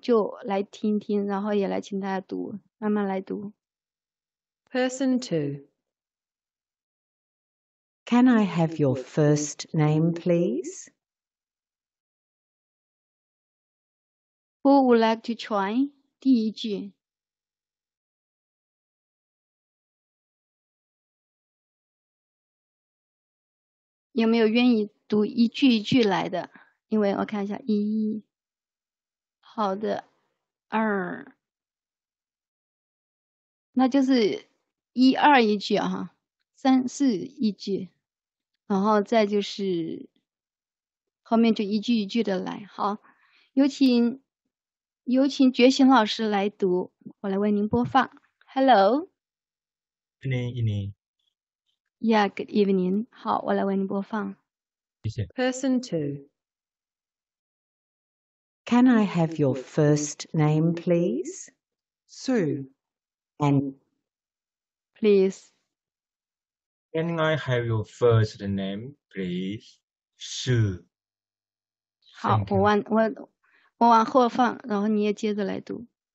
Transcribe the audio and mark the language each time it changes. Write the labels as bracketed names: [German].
[Chinese] 就来听听，然后也来请大家读，慢慢来读。 [English] Person two. Can I have your first name, please? Who would like to try? [Chinese] 第一句。有没有愿意读一句一句来的？因为我看一下，一。好的，二，那就是一二一句啊，三四一句，然后再就是后面就一句一句的来。好，有请觉醒老师来读，我来为您播放。Hello， [English] good evening， yeah， good evening， [Chinese] 好，我来为您播放。谢谢。 [English] Person two。 Can I have your first name, please? Sue. And please. Can I have your first name, please? Sue. [Chinese] 好，我往后放，然后你也接着来读。